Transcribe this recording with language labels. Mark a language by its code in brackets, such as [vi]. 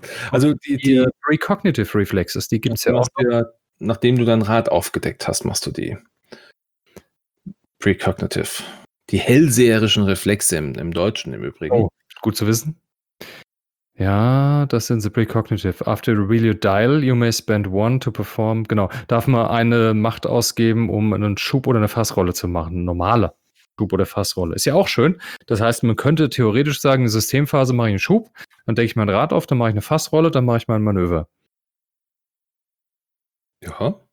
[de] also die Precognitive Reflexes, die gibt es ja auch. Nachdem du dein Rad aufgedeckt hast, machst du die Precognitive. Die hellseherischen Reflexe im Deutschen im Übrigen. Oh, gut zu wissen. Ja, das sind the Precognitive. [en] After you reveal your dial, you may spend one to perform. [de] Genau, darf man eine Macht ausgeben, um einen Schub oder eine Fassrolle zu machen. Normale Schub oder Fassrolle. Ist ja auch schön. Das heißt, man könnte theoretisch sagen, in der Systemphase mache ich einen Schub, dann decke ich mein Rad auf, dann mache ich eine Fassrolle, dann mache ich mein Manöver. Ja.